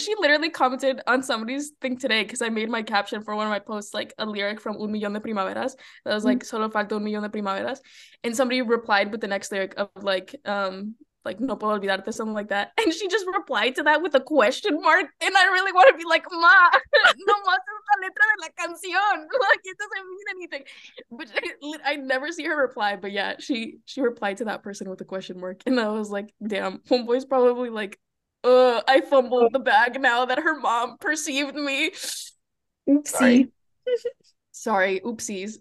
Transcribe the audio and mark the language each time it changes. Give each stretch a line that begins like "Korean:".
English: She literally commented on somebody's thing today because I made my caption for one of my posts like a lyric from Un Millón de Primaveras that was like,
Spanish: solo falta un millón de primaveras.
English: And somebody replied with the next lyric of like
Spanish: no puedo olvidarte,
English: something like that. And she just replied to that with a question mark. And I really want to be like,
Spanish: ma, no más es la letra de la canción.
English: Like, it doesn't mean anything. But I never see her reply. But yeah, she replied to that person with a question mark. And I was like, damn, homeboy's probably like, I fumbled the bag now that her mom perceived me. Oopsie. Sorry, oopsies.